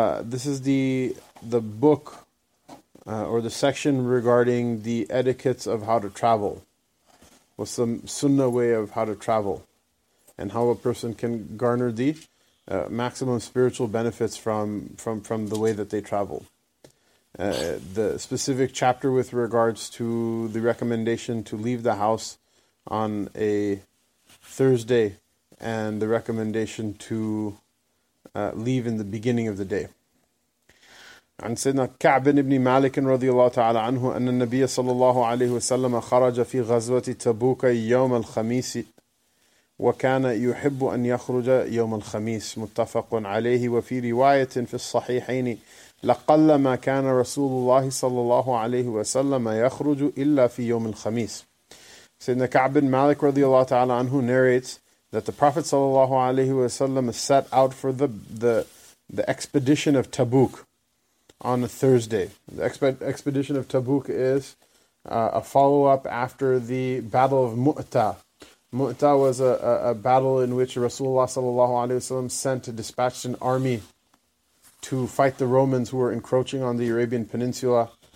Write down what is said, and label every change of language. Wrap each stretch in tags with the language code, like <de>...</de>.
<en>This is the book or the section regarding the etiquettes of how to travel, what's the sunnah way of how to travel, and how a person can garner the maximum spiritual benefits from the way that they travel. The specific chapter with regards to the recommendation to leave the house on a Thursday, and the recommendation to leave in the beginning of the day.</en> <ar>عن سيدنا كعب بن مالك رضي الله تعالى عنه أن النبي صلى الله عليه وسلم خرج في غزوة تبوك يوم الخميس وكان يحب أن يخرج يوم الخميس متفق عليه وفي رواية في الصحيحين لقل ما كان رسول الله صلى الله عليه وسلم يخرج إلا في يوم الخميس سيدنا كعب بن مالك رضي الله تعالى عنه</ar> <en>narrates that the Prophet صلى الله عليه وسلم set out for the expedition of Tabuk on a Thursday. The expedition of Tabuk is a follow-up after the Battle of Mu'tah. Mu'tah was a battle in which Rasulullah sallallahu alaihi wasallam dispatched an army to fight the Romans who were encroaching on the Arabian Peninsula.</en>